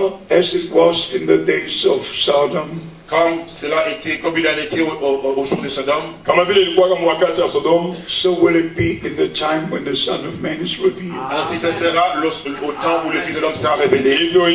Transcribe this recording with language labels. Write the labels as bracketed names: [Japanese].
[English] As it was in the days of Sodom. [French] Comme il en était au jour de Sodom. [English] So will it be in the time when the Son of Man is revealed. [French] Ainsi ce sera au temps où le Fils de l'homme sera révélé.